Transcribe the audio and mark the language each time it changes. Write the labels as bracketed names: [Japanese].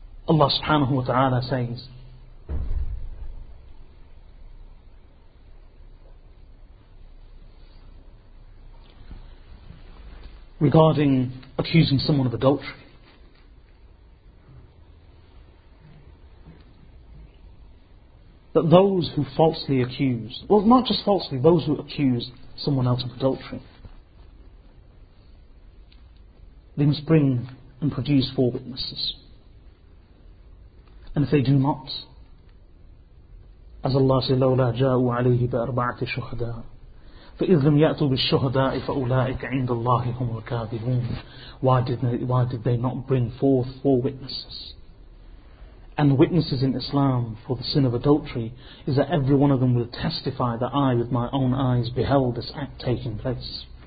[English] Allah subhanahu wa ta'ala says, regarding accusing someone of adultery, that those who falsely accuse, well, not just falsely, those who accuse someone else of adultery, they must bring and produce four witnesses. And if they do not, as Allah says, [Arabic] لَوْ لَا جَاءُوا عَلَيْهِ بَأَرْبَعَةِ شُهَدَاءُ فَإِذْ لَمْ يَأْتُوا بِالشُهَدَاءِ فَأُولَٰئِكَ عِنْدَ اللَّهِ هُمُ الْكَاذِبُونَ. [English] Why did they not bring forth four witnesses? And witnesses in Islam for the sin of adultery is that every one of them will testify that I with my own eyes beheld this act taking place.